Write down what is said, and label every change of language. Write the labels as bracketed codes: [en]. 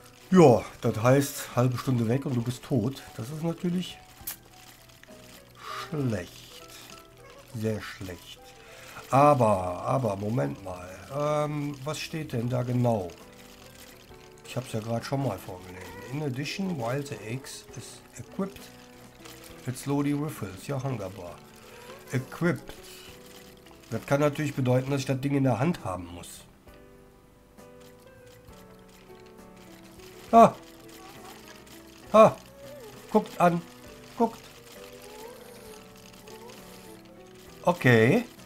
[de] Ja, das heißt, halbe Stunde weg und du bist tot. Das ist natürlich schlecht. Sehr schlecht. Aber, Moment mal. Was steht denn da genau? Ich habe es ja gerade schon mal vorgelesen. [en] In addition, while the eggs is equipped, it slowly refills your hunger bar. Equipped. [de] Das kann natürlich bedeuten, dass ich das Ding in der Hand haben muss. Ha! Ha! Guckt an! Guckt! Okay.